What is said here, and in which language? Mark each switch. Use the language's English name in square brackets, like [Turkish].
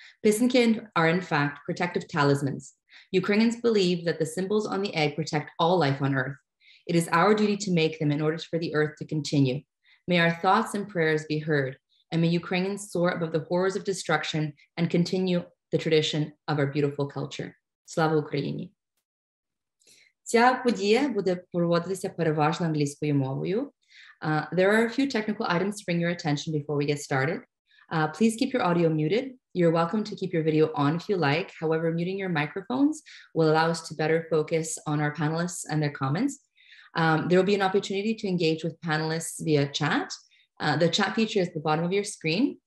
[English] Pysanky are in fact protective talismans. Ukrainians believe that the symbols on the egg protect all life on earth. It is our duty to make them in order for the earth to continue. May our thoughts and prayers be heard, and may Ukrainians soar above the horrors of destruction and continue the tradition of our beautiful culture. [Ukrainian] Слава Україні! Ця подія буде проводитися переважно англійською мовою. [English] There are a few technical items to bring your attention before we get started. Please keep your audio muted. You're welcome to keep your video on if you like. However, muting your microphones will allow us to better focus on our panelists and their comments. There will be an opportunity to engage with panelists via chat. The chat feature is at the bottom of your screen.